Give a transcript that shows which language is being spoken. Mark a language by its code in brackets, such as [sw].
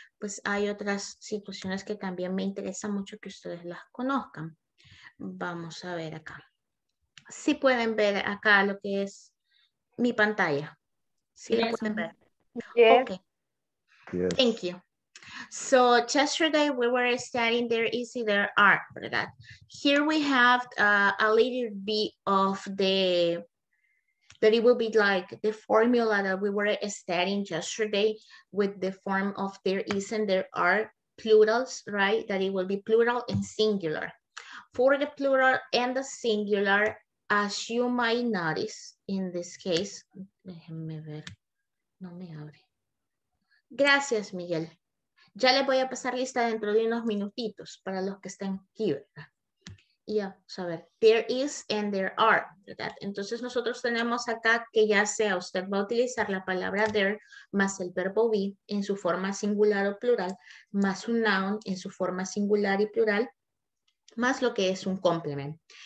[es] Pues hay otras situaciones que también me interesa mucho que ustedes las conozcan. Vamos a ver acá. Si pueden ver acá lo que es mi pantalla. Si lo pueden ver. [en] Yes. Okay. Yes. Thank you. So yesterday we were studying there is and there are, [es] ¿verdad? [en] Here we have a little bit of the... that it will be like the formula that we were studying yesterday with the form of there is and there are plurals, right? That it will be plural and singular. For the plural and the singular, as you might notice in this case, [es] déjenme ver, no me abre. Gracias, Miguel. Ya les voy a pasar lista dentro de unos minutitos para los que estén aquí, ¿verdad? Ya, a ver, there is and there are, ¿verdad? Entonces nosotros tenemos acá que ya sea usted va a utilizar la palabra there más el verbo be en su forma singular o plural, más un noun en su forma singular y plural, más lo que es un complement.